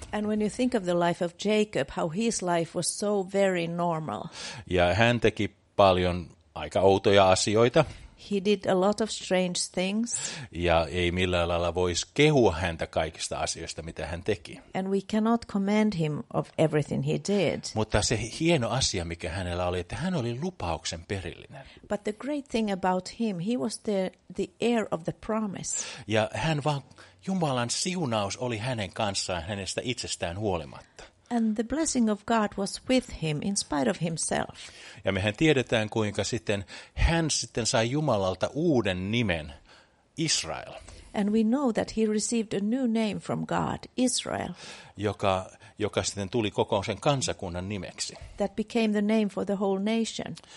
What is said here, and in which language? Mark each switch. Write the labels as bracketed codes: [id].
[en] And when you think of the life of Jacob, how his life was so very normal. [fi] Ja hän teki paljon aika outoja asioita. [en] He did a lot of strange things. [fi] Ja ei millään lailla voisi kehua häntä kaikista asioista, mitä hän teki. [en] And we cannot commend him of everything he did. [fi] Mutta se hieno asia, mikä hänellä oli, että hän oli lupauksen perillinen. [en] But the great thing about him, he was the heir of the promise. [fi] Ja hän vaan, Jumalan siunaus oli hänen kanssaan hänestä itsestään huolimatta. [en] And the blessing of God was with him in spite of himself. [fi] Ja mehän tiedetään, kuinka sitten hän sitten sai Jumalalta uuden nimen, Israel. [en] And we know that he received a new name from God, Israel. [fi] Joka sitten tuli koko sen kansakunnan nimeksi. [en] That became the name for the whole nation.